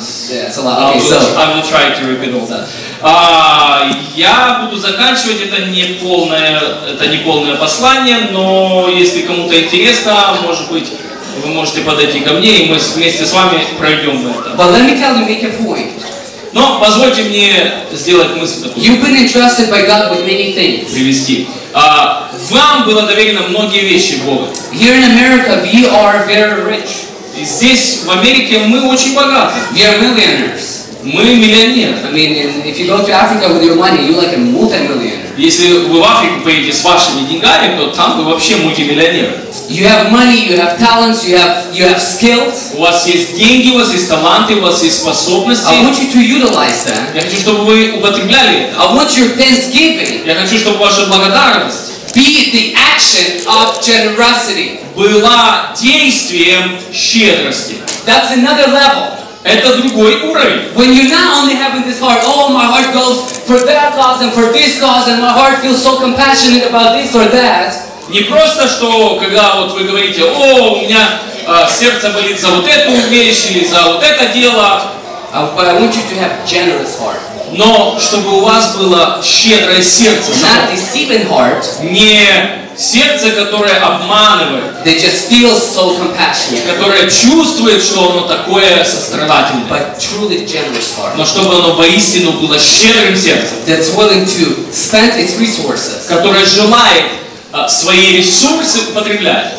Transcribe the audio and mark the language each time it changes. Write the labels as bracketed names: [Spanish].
[English] I will try to repeat all that. [Russian] Я буду заканчивать, это не полное послание, но если кому-то интересно, может быть, вы можете подойти ко мне, и мы вместе с вами пройдем это. [English] But let me tell you, make a point. [Russian] Но позвольте мне сделать мысль такую. [English] You've been entrusted by God with many things. [Russian] Привести. Вам было доверено многие вещи Богу. [English] Here in America, we are very rich. [Russian] И здесь, в Америке, мы очень богаты. [English] We are millionaires. [Russian] Мы миллионеры. [English] I mean, if you go to Africa with your money, you're like a multi-millionaire. [Russian] Если вы в Африку поедете с вашими деньгами, то там вы вообще мультимиллионер. [English] You have money, you have talents, you have skills. [Russian] У вас есть деньги, у вас есть таланты, у вас есть способности. [English] I want you to utilize them. [Russian] Я хочу, чтобы вы употребляли это. [English] I want your thanksgiving. [Russian] Я хочу, чтобы ваша благодарность [English] be the action of generosity. [Russian] Была действием щедрости. [English] That's another level. [Russian] Это другой уровень. [English] When you're not only having this heart, oh, my heart goes for that cause and for this cause, and my heart feels so compassionate about this or that. [Russian] Не просто, что когда вот вы говорите, о, у меня сердце болит за вот эту вещь или за вот это дело. [English] But I want you to have a generous heart. [Russian] Но чтобы у вас было щедрое сердце. [English] Not the deceiving heart. [Russian] Не сердце, которое обманывает. [English] That just feels so compassionate. [Russian] Которое чувствует, что оно такое сострадательное. [English] But truly generous heart. [Russian] Но чтобы оно воистину было щедрым сердцем. [English] That's willing to spend its resources. [Russian] Которое желает свои ресурсы употреблять.